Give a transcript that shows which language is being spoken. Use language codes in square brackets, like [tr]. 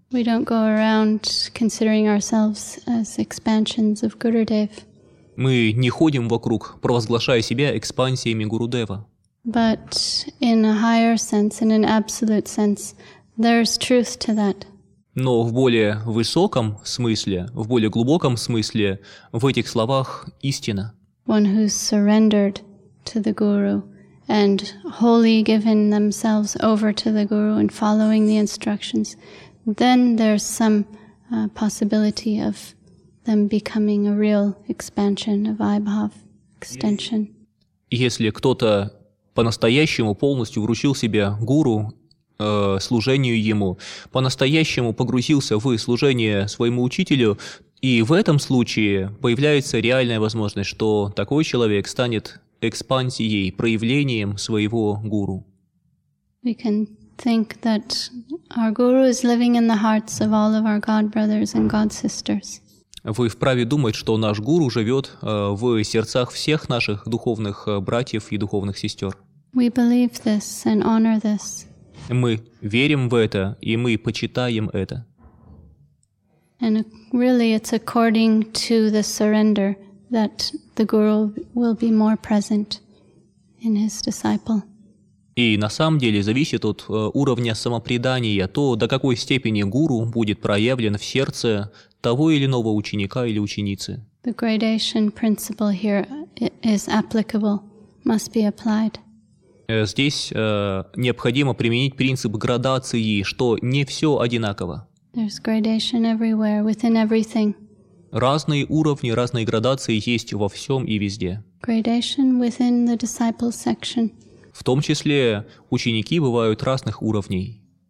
[en] We don't go around considering ourselves as expansions of Gurudev. [ru] Мы не ходим вокруг, провозглашая себя экспансиями Гурудева. [en] But in a higher sense, in an absolute sense, there's truth to that. [ru] Но в более высоком смысле, в более глубоком смысле, в этих словах истина. [en] One who's surrendered to the Guru and wholly given themselves over to the Guru and following the instructions, then there's some possibility of them becoming a real expansion of Vaibhav extension. [ru] Если кто-то по-настоящему полностью вручил себя гуру, служению ему, по-настоящему погрузился в служение своему учителю, и в этом случае появляется реальная возможность, что такой человек станет экспансией, проявлением своего гуру. [en] We can think that our guru is living in the hearts of all of our god brothers and god sisters. [ru] Вы вправе думать, что наш гуру живет в сердцах всех наших духовных братьев и духовных сестер. [en] We believe this and honor this. [ru] Мы верим в это, и мы почитаем это. [en] And really it's according to the surrender that the guru will be more present in his disciple. [ru] И на самом деле зависит от уровня самопредания, то до какой степени гуру будет проявлен в сердце того или иного ученика или ученицы. [en] The gradation principle here is applicable, must be applied. [ru] Здесь необходимо применить принцип градации, что не все одинаково. [en] There's gradation everywhere, within everything. [ru] Разные уровни, разные градации есть во всем и везде. [en] Gradation within the disciple section. [ru] В том числе ученики бывают разных уровней.